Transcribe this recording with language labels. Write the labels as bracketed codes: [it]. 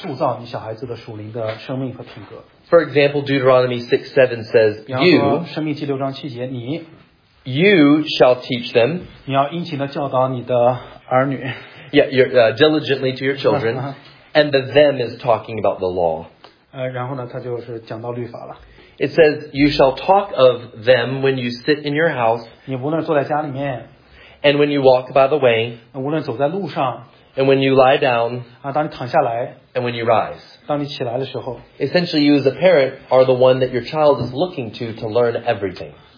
[zh] 那么父母被赋予的责任，你要去塑造你小孩子的属灵的生命和品格。 [en] For example, Deuteronomy 6:7 says, you shall teach them. [zh] 你要殷勤地教导你的儿女, [en] yeah, diligently to your children. And the them is talking about the law. [zh] 然后呢，他就是讲到律法了。 [en] It says, you shall talk of them when you sit in your house, [zh] 你无论坐在家里面, [en] and when you walk by the way, [zh] 无论走在路上, [en] and when you lie down, [zh] 当你躺下来, [en] and when you rise. Essentially, you as a parent are the one that your child is looking to learn everything.